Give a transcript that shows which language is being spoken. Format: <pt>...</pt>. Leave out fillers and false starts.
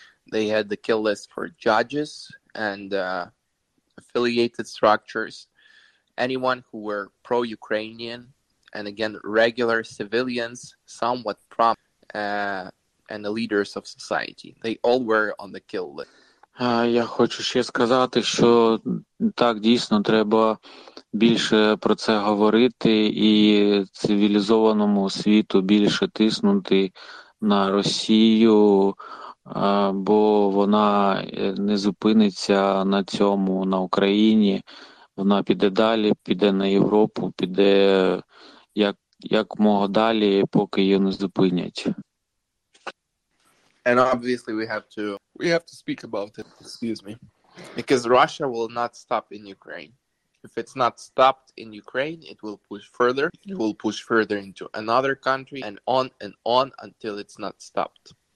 <en>They had the kill list for judges and affiliated structures. Anyone who were pro-Ukrainian, and again, regular civilians, somewhat prominent, and the leaders of society. They all were on the kill list.</en> <uk>Я хочу ще сказати, що так, дійсно, треба більше про це говорити і цивілізованому світу більше тиснути на Росію, бо вона не зупиниться на цьому, на Україні. Вона піде далі, піде на Європу, піде як мого далі, поки її не зупинять.</uk> <en>And obviously we have to speak about it, excuse me, because Russia will not stop in Ukraine. If it's not stopped in Ukraine, it will push further. It will push further into another country and on until it's not stopped.</en>